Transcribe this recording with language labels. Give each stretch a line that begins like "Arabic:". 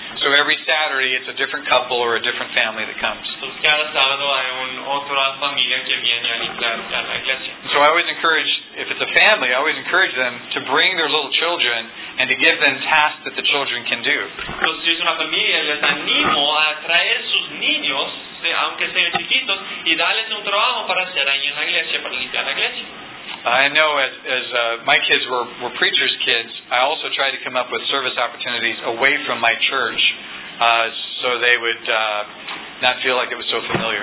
English: So every Saturday it's a different couple or a different family that comes.
Spanish: Cada sábado hay un otra familia que viene a limpiar la iglesia.
English: So I always encourage, if it's a family, I always encourage them to bring their little children and to give them tasks that the children can do.
Spanish: Entonces, si es una familia, les animo a traer sus niños, aunque sean chiquitos, y darles un trabajo para hacer ahí en la iglesia, para limpiar la iglesia.
English: I know as my kids were preacher's kids, I also tried to come up with service opportunities away from my church so they would not feel like it was so familiar.